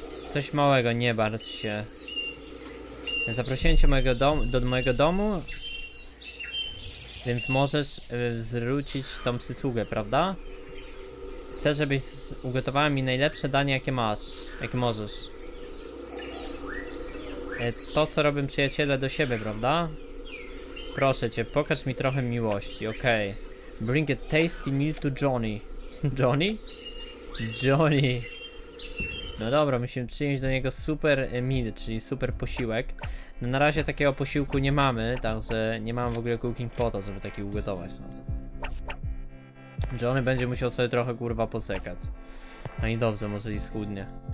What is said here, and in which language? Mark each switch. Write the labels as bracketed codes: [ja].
[pl] Coś małego, nie bardzo się. Zaprosiłem cię do mojego domu, więc możesz zwrócić tą przysługę, prawda? Chcę, żebyś ugotowała mi najlepsze danie, jakie masz, jakie możesz. To, co robią przyjaciele do siebie, prawda? Proszę cię, pokaż mi trochę miłości, okej. Okay. [en] Bring a tasty meal to Johnny. [pl] Johnny? Johnny. No dobra, musimy przynieść do niego super meal, czyli super posiłek. No na razie takiego posiłku nie mamy, także nie mam w ogóle cooking pota, żeby taki ugotować. Johnny będzie musiał sobie trochę kurwa posekać. No i dobrze, może i schudnie.